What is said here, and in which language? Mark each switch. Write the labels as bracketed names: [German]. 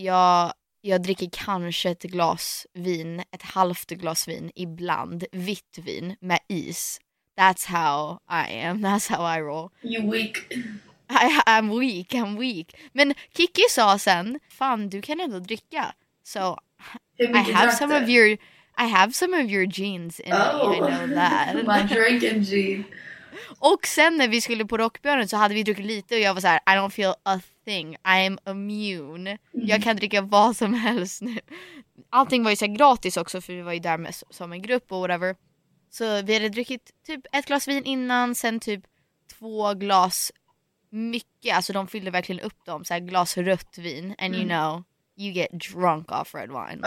[Swedish] Jag dricker kanske ett glas vin. Ett halvt glas vin ibland. Vitt vin med is. [English] That's how I am. That's how I roll. You're weak. I'm weak. [Swedish] Men Kiki sa sen, fan, du kan ändå dricka. [English] So, I have some of your genes in me. I know that. My drinking gene. [Swedish] Och sen när vi skulle på Rockbjörnen så hade vi druckit lite. Och jag var så här, [English] I don't feel a thing. I am immune. [Swedish] Jag kan dricka vad som helst nu. Allting var ju så gratis också. För vi var ju där med som en grupp och whatever. Så vi hade druckit typ ett glas vin innan, sen typ två glas mycket. Alltså de fyllde verkligen upp dem, så här glas rött vin. [English] And you know, you get drunk off red wine.